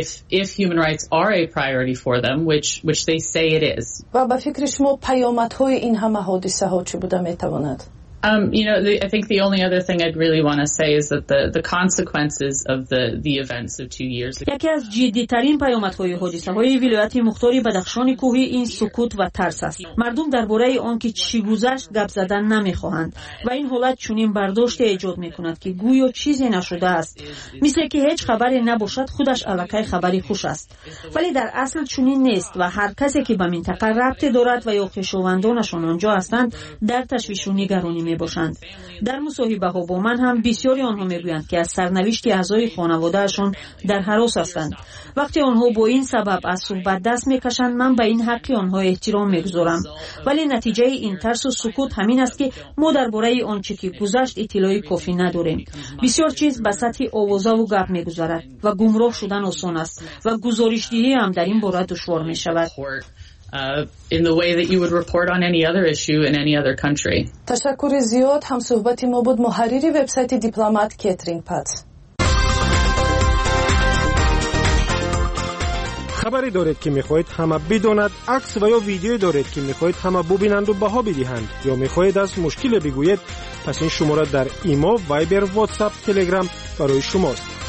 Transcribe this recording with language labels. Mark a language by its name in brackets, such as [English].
[English] if human rights are a priority for them, which they say it is. [Persian] و به فکر شما پیامدهای این همه حادثه ها چه بوده میتواند؟ [English] I think the only other thing I'd really want to say is that the consequences of the events of 2 years ago. [Persian] یکی از جدی‌ترین پیامدهای حادثه‌های ولایت مختار بدخشان کوهی این سکوت و ترس است. مردم درباره آن که چی گذشت گپ زدن نمی‌خواهند و این حالت چنین برداشت ایجاد می‌کند که گویا چیزی نشده است. مثل که هیچ خبری نباشد خودش علاقه خبری خوش است. ولی در اصل چنین نیست و هر کسی که به منطقه رابطه دارد و یا خویشاوندانشان آنجا هستند در تشویش و نگرانی می باشند. در مصاحبه ها با من هم بسیاری آنها می گویند که از سرنوشت اعضای خانواده اشون در هراس هستند. وقتی آنها با این سبب از صحبت دست می کشند من به این حق آنها احترام می گذارم. ولی نتیجه این ترس و سکوت همین است که ما در باره آن چی که گذشت اطلاع کافی نداریم. بسیار چیز به سطح آوازه و گپ می گذارد و گمراه شدن آسان است و گزارش دهی هم در این باره دشوار می شود. [English] In the way that you would report on any other issue in any other country. [Persian] تشکر زیاد هم صحبت ما بود محرری وبسایت دیپلمات کترین پات. خبری دارید که میخواهید همه بدونند؟ عکس و یا ویدیو دارید که میخواهید همه ببینند و بها بدهند یا میخواهید از مشکل بگویید؟ پس این شماره در ایمو، وایبر، واتساپ، تلگرام برای شماست.